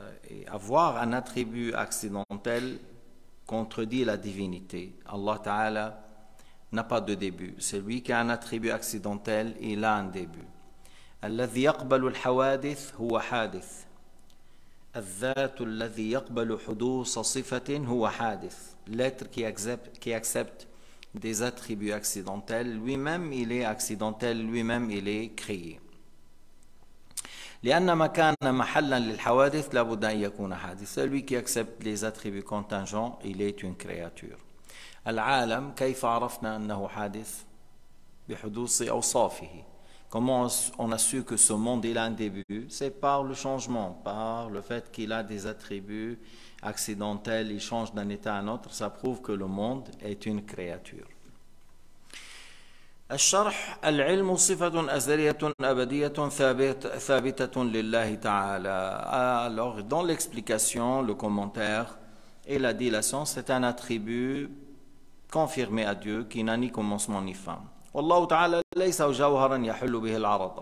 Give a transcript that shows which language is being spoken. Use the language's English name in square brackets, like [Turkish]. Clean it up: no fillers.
[French] Et avoir un attribut accidentel contredit la divinité. Allah Ta'ala n'a pas de début. Celui qui a un attribut accidentel, il a un début. [Arabic] الذي يقبل الحوادث هو حادث. الذات الذي يقبل حدوث صفة هو حادث. [French] L'être qui accepte des attributs accidentels lui-même il est accidentel, lui-même il est créé. [Arabic] لأن ما كان محلا للحوادث لابد أن يكون حادث. [French] Celui qui accepte les attributs contingents il est une créature. [Arabic] العالم كيف عرفنا أنه حادث؟ بحدوث أوصافه. [French] Comment on a su que ce monde il a un début? C'est par le changement, par le fait qu'il a des attributs accidentels, il change d'un état à un autre, ça prouve que le monde est une créature. [Arabic] الشرح: العلم صفة أزلية أبدية ثابتة لله تعالى. [French] Alors, dans l'explication, le commentaire, il a dit la science est un attribut confirmé à Dieu qui n'a ni commencement ni fin. [Arabic] والله تعالى ليس جوهرا يحل به العرض.